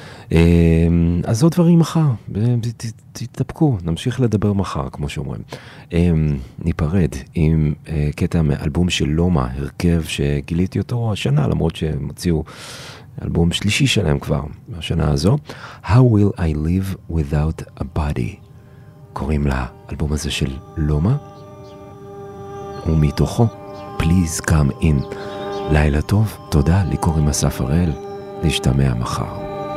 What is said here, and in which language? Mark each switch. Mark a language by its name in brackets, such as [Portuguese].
[Hebrew] אז עוד דברים מחר, תתאפקו, נמשיך לדבר מחר, כמו שאומרים. ניפרד עם קטע מאלבום של לומה, הרכב שגיליתי אותו השנה, למרות שמציעו אלבום שלישי שלהם כבר בשנה הזו. [English] How will I live without a body? [Hebrew] קוראים לה אלבום הזה של לומה, ומתוכו Please come in. לילה טוב, תודה, לי קוראים אסף הראל, להשתמע מחר.